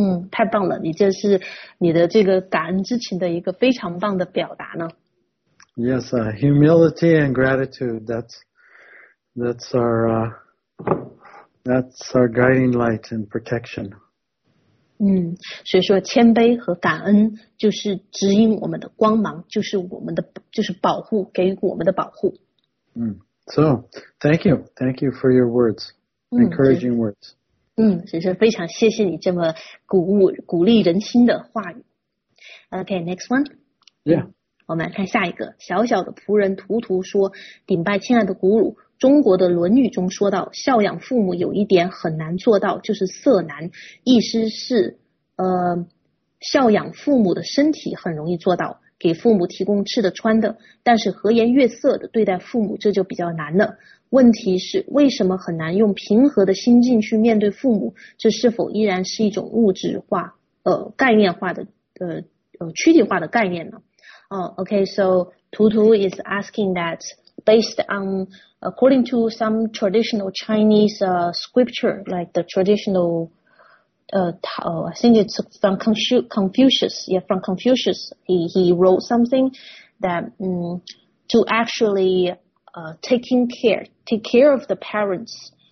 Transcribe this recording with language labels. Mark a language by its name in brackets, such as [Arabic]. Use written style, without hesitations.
[Chinese] 太棒了，你这是你的这个感恩之情的一个非常棒的表达呢。 [English] Yes, humility and gratitude, that's our guiding light and protection. [Chinese] 所以说谦卑和感恩就是指引我们的光芒，就是我们的就是保护，给予我们的保护。 [English] So, thank you for your words, encouraging words. [Chinese] 真是非常谢谢你这么鼓励人心的话语。 [English] Okay, next one. Yeah. [Chinese] 我们来看下一个，小小的仆人图图说，顶拜亲爱的古鲁，中国的论语中说到，孝养父母有一点很难做到，就是色难，意思是孝养父母的身体很容易做到，给父母提供吃的穿的，但是和颜悦色的对待父母这就比较难了。问题是为什么很难用平和的心境去面对父母？这是否依然是一种物质化、概念化的、躯体化的概念呢？ [English] Okay, so Tutu is asking that based on according to some traditional Chinese scripture, like the traditional I think it's from Confucius. Yeah, from Confucius, he wrote something that to actually take care of the parents.